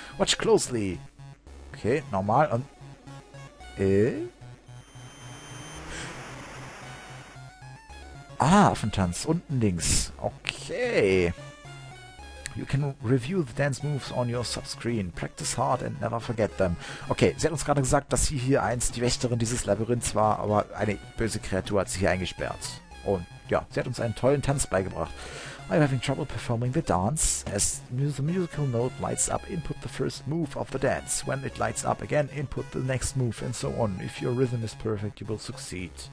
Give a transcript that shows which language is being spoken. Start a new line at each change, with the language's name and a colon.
English: Watch closely. Okay,
German: normal und... Affentanz, unten links. Okay.
English: You can review the dance moves on your subscreen. Practice hard and never forget them.
German: Okay, sie hat uns gerade gesagt, dass sie hier einst die Wächterin dieses Labyrinths war, aber eine böse Kreatur hat sie hier eingesperrt. Und ja, sie hat uns einen tollen Tanz beigebracht.
English: I'm having trouble performing the dance. As the musical note lights up, input the first move of the dance. When it lights up again, input the next move and so on. If your rhythm is perfect, you will succeed.